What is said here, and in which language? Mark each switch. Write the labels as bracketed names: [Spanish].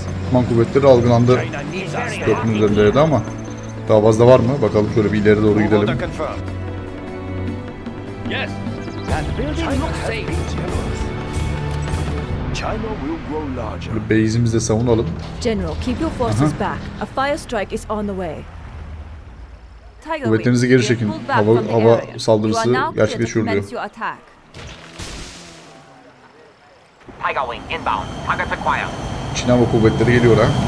[Turkish] Osmanlı kuvvetleri algılandı. 4000 üzerindeydi ama daha fazla var mı? Bakalım şöyle bir ileri doğru gidelim. Şöyle base'imizi de savunalım. [English] General, keep your forces back. A fire strike is on the way. [Turkish] Kuvvetlerinizi geri çekin. Hava saldırısı gerçekleşiyor diyor. [English] Tiger Wing inbound. Target acquired. [Turkish] Çin Hava Kuvvetleri geliyor ha.